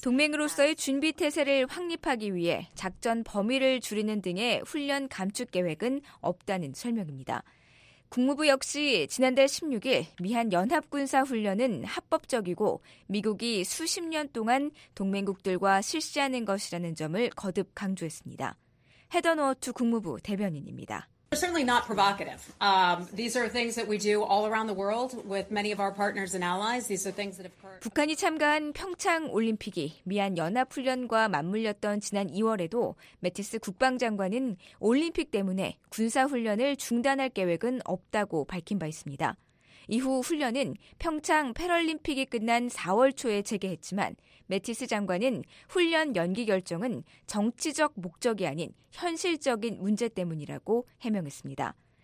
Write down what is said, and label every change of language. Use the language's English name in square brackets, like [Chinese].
[Korean] 동맹으로서의 준비 태세를 확립하기 위해 작전 범위를 줄이는 등의 훈련 감축 계획은 없다는 설명입니다. 국무부 역시 지난달 16일 미한 연합군사 훈련은 합법적이고 미국이 수십 년 동안 동맹국들과 실시하는 것이라는 점을 거듭 강조했습니다. 헤더 노어투 국무부 대변인입니다. [English] Certainly not provocative. These are things that we do all around the world with many of our partners and allies. These are things that have occurred. [Korean] 북한이 참가한 평창 올림픽이 미한 연합 훈련과 맞물렸던 지난 2월에도 매티스 국방장관은 올림픽 때문에 군사 훈련을 중단할 계획은 없다고 밝힌 바 있습니다. 이후 훈련은 평창 패럴림픽이 끝난 4월 초에 재개했지만 매티스 장관은 훈련 연기 결정은 정치적 목적이 아닌 현실적인 문제 때문이라고 해명했습니다.